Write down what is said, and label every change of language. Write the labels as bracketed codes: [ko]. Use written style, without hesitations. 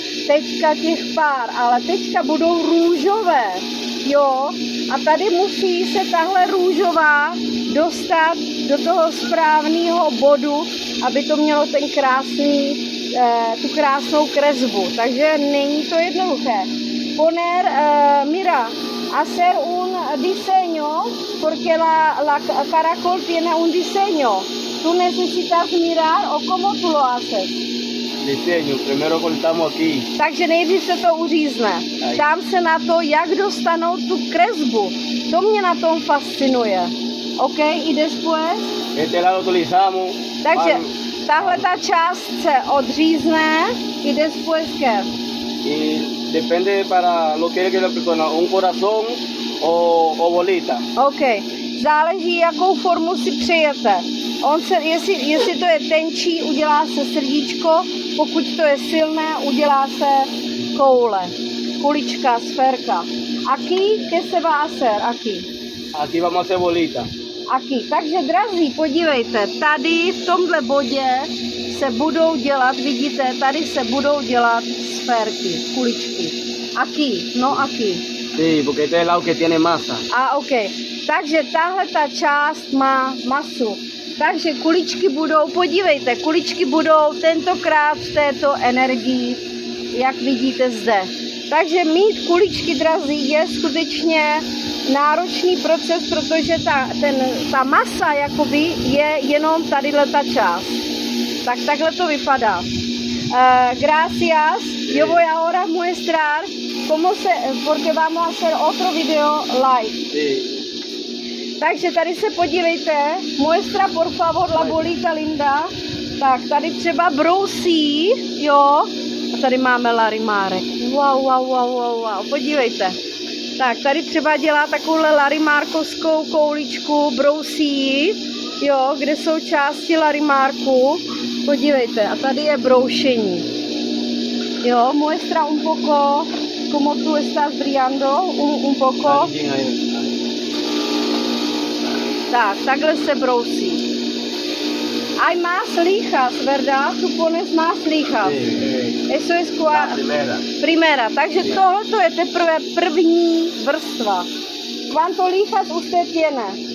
[cs] Teďka těch pár, ale teďka budou růžové, jo? A tady musí se tahle růžová dostat do toho správného bodu, aby to mělo ten krásný, tu krásnou kresbu. Takže není to jednoduché. [es] Poner, mira, hacer un diseño, porque la caracol tiene un diseño. Tú necesitas mirar, o cómo tú lo haces? Diseño, primero cortamos aquí. [cs] Takže nejdřív se to uřízne. Ptám se na to, jak dostanou tu kresbu. To mě na tom fascinuje. [es] OK, i después? Este lado utilizamos. [cs] Takže tahle ta část se odřízne, [es] i después qué? Y depende para lo que quiere la persona, un corazón o bolita. [cs] OK, záleží, jakou formu si přejete. On se, jestli to je tenčí, udělá se srdíčko, pokud to je silné, udělá se koule, kulička, sférka. [es] Aquí, que se va a hacer? Aquí. Aquí vamos a hacer bolita. Aquí. [cs] Takže, drazí, podívejte, tady v tomhle bodě se budou dělat, vidíte, tady se budou dělat sférky, kuličky. [es] Aquí, no aquí. Sí, porque este es el lado que tiene masa. Ah, OK. [cs] Takže tahle ta část má masu. Takže kuličky budou, podívejte, kuličky budou tentokrát v této energii, jak vidíte zde. Takže mít kuličky, drazí, je skutečně náročný proces, protože ta masa jakoby je jenom tadyhle ta část. Tak takhle to vypadá. [es] Gracias, yo voy ahora a muestrar ¿Cómo se? Porque vamos a hacer otro video live. Sí. [cs] Takže tady se podívejte. [es] Muestra, por favor, la bolita linda. [cs] Tak, tady třeba brousí, jo. A tady máme larimárek. Wow, wow, wow, wow, wow. Podívejte. Tak, tady třeba dělá takovouhle larimárkovskou kouličku, brousí, jo, kde jsou části larimárku. Podívejte, a tady je broušení. [es] Jo, muestra un poco, como tú estás brillando, un poco. [cs] Tak, takhle se brousí. [es] Hay más lijas, ¿verdad? Tú pones más lijas. Sí, sí. Eso es cua... La primera. Primera. Takže sí. [cs] Tohle to je teprve první vrstva. [es] ¿Cuánto lijas usted tiene?